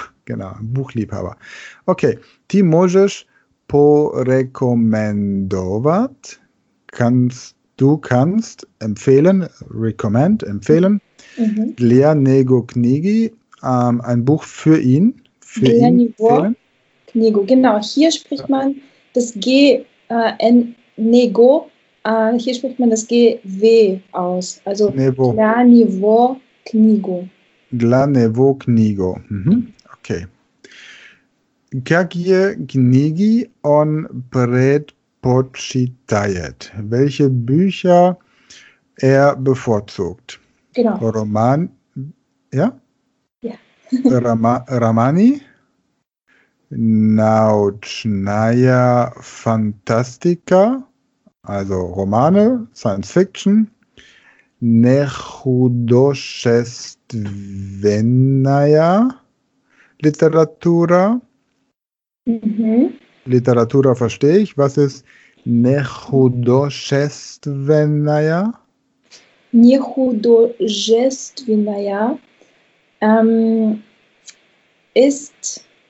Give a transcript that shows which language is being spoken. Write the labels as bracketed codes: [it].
[de] Genau, ein Buchliebhaber. Okay, [ru] ti možeš porekomendovat, [de] du kannst empfehlen, [ru] для него книги, [de] ein Buch für ihn, für ihn empfehlen. Книгу, genau, hier spricht man das G, него, hier spricht man das G, W aus, also [ru] для него книгу. Для него книгу, okay. Какие книги он предпочитает? [de] Welche Bücher er bevorzugt? Genau. Roman, ja? Ja. [ru] Романи, научная фантастика, [de] also Romane, Science Fiction, [ru] нехудожественная литература. [de] Literatur verstehe ich. Was ist Nehudoshestvenaya? Nehudoshestvenaya ist